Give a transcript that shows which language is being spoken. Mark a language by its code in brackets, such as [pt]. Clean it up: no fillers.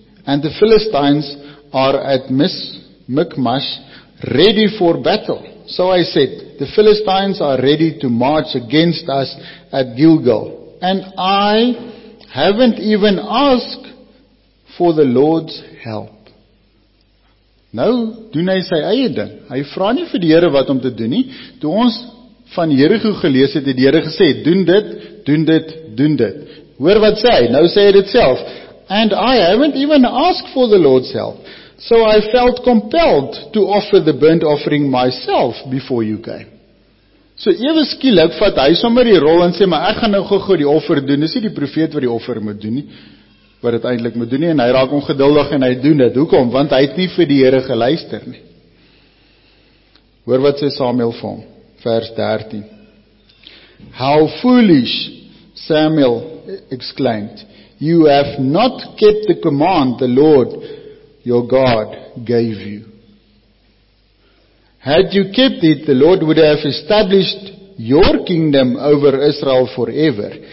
[en] And the Philistines are at Michmash, ready for battle. So I said, the Philistines are ready to march against us at Gilgal. And I haven't even asked for the Lord's help. [af] Nou doen hy sy eie ding. Hy vra nie vir die Here wat om te doen nie. Toe ons van Jericho gelees het die Here gesê, doen dit, doen dit, doen dit. Hoor wat sê hy, nou sê hy dit self. [en] And I haven't even asked for the Lord's help. So I felt compelled to offer the burnt offering myself before you came. [af] So ewe skielik vat hy sommer die rol en sê, maar ek gaan nou gou die offer doen. Dis nie die profeet wat die offer moet doen nie, wat dit eintlik moet doen nie. En hy raak ongeduldig en hy doen dit. Hoekom? Want hy het nie vir die Here geluister nie. Hoor wat sê Samuel vir hom. Vers 13. [en] How foolish, Samuel exclaimed, you have not kept the command the Lord your God gave you. Had you kept it, the Lord would have established your kingdom over Israel forever.